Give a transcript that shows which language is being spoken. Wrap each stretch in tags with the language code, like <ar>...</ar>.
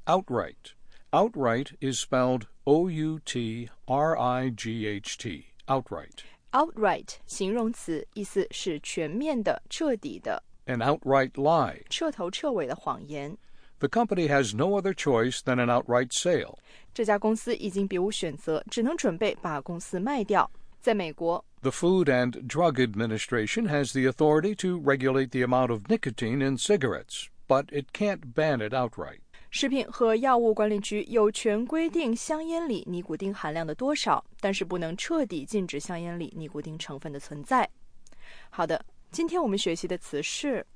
<en>Outright. Outright is spelled O-U-T-R-I-G-H-T. Outright.</en> <zh>Outright, 形容词,意思是全面的,彻底的。</zh> <en>An outright lie.</en> <zh>彻头彻尾的谎言。</zh> <en>The company has no other choice than an outright sale.</en> <zh>这家公司已经别无选择,只能准备把公司卖掉。在美国,</zh> <en>The Food and Drug Administration has the authority to regulate the amount of nicotine in cigarettes, but it can't ban it outright.</en> <zh>食品和药物管理局有权规定香烟里尼古丁含量的多少，但是不能彻底禁止香烟里尼古丁成分的存在。好的，今天我们学习的词是</zh>